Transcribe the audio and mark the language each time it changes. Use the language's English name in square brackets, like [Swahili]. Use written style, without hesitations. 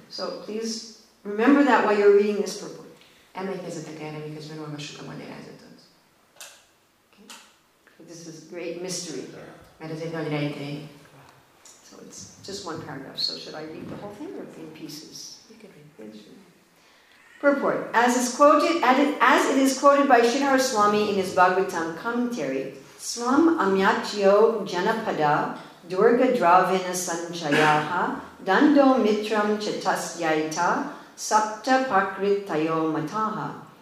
[English] So please remember that while you're reading this purport. [Hungarian] Emlékezzetek erre, miközben olvassuk a magyarázatot. [English] This is a great mystery. [Hungarian] Mert ez egy nagy rejtély. [English] So it's just one paragraph, so should I read the whole thing or in pieces? You can read it. Purport. As it is quoted by Sridhara Swami in his Bhagavatam commentary, [Sanskrit] Swam Amyachyo Janapada Durga Dravina Sanchayaha Dando Mitram Chatasyaita Sapta Pakritayo Mataha.